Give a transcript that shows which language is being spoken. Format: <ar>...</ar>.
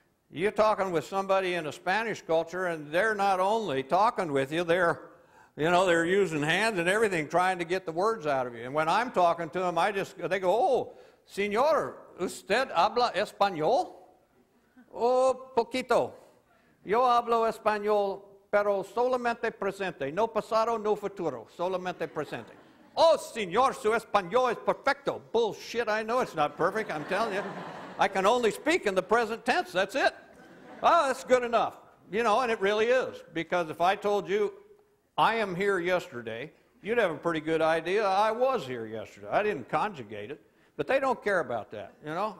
<en>You're talking with somebody in a Spanish culture, and they're not only talking with you, they're using hands and everything, trying to get the words out of you. And when I'm talking to them, they go,</en> <es>oh, señor, usted habla español? Oh, poquito. Yo hablo español, pero solamente presente. No pasado, no futuro. Solamente presente. Oh, señor, su español es perfecto.</es> <en>Bullshit, I know it's not perfect, I'm telling you. I can only speak in the present tense, that's it. Oh, that's good enough. You know, and it really is. Because if I told you, I am here yesterday, you'd have a pretty good idea I was here yesterday. I didn't conjugate it. But they don't care about that, you know.</en>